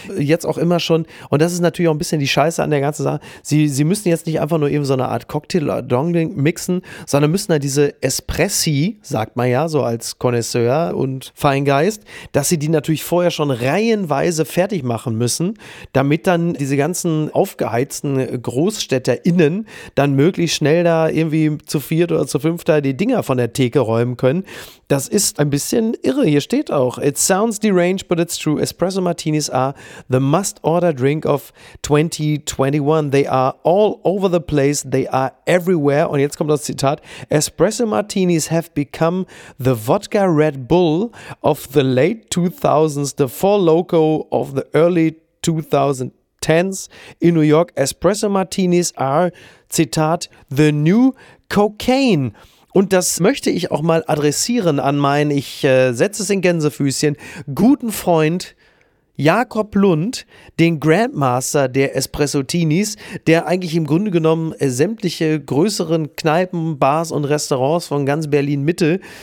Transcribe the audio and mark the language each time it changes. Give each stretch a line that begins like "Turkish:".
German: Jetzt auch immer schon, und das ist natürlich auch ein bisschen die Scheiße an der ganzen Sache, sie müssen jetzt nicht einfach nur eben so eine Art Cocktail oder Dongling mixen, sondern müssen da diese Espressi, sagt man ja so als Connoisseur und Feingeist, dass sie die natürlich vorher schon reihenweise fertig machen müssen, damit dann diese ganzen aufgeheizten GroßstädterInnen dann möglichst schnell da irgendwie zu viert oder zu fünft da die Dinger von der Theke räumen können. Das ist ein bisschen irre. Hier steht auch,
English: it sounds deranged, but it's true. Espresso Martinis are the must-order drink of 2021. They are all over the place. They are everywhere.
German: Und jetzt kommt das Zitat.
English: Espresso Martinis have become the vodka Red Bull of the late 2000s, the Four Loko of the early 2010s in New York. Espresso Martinis are, Zitat, the new cocaine.
German: Und das möchte ich auch mal adressieren an meinen, ich setze es in Gänsefüßchen, guten Freund Jakob Lund, den Grandmaster der Espressotinis, der eigentlich im Grunde genommen sämtliche größeren Kneipen, Bars und Restaurants von ganz Berlin-Mitte